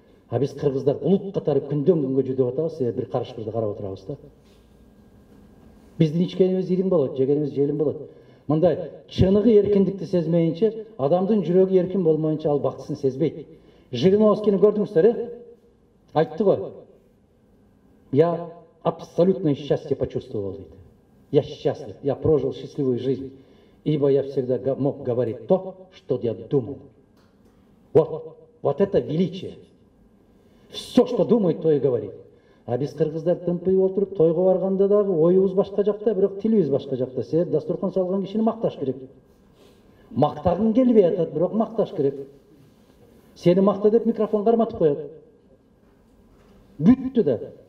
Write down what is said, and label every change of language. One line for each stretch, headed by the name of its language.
Kyrgyz: А биз кыргыздар улут катары күндөн күнгө жүдөп атабыз, себеби бир карышкырды карап отурабыз да. Биздин ичкенибиз ириң болот, жегенибиз желим болот. Мындай чыныгы эркиндикти сезмейинче, адамдын жүрөгү эркин болмоюнча ал бактысын сезбейт. Жириновскийни көрдүңүздөр э? Айтты го.
Russian: Я абсолютное счастье почувствовал, дейт. Я счастлив, я прожил счастливую жизнь. Ибо я всегда мог говорить то, что я думал. Вот, вот это величие. Все, что думает, то и говорит.
Kyrgyz: А без кыргыздар тымпый отуруп, тойго барганда дагы оюбуз башка жакта, бирок тилибиз башка жакта. Себеп дастурхан салган кишини макташ керек. Мактагың келбей атат, бирок макташ керек. Сени макта деп микрофон карматып коет. Бүттү да.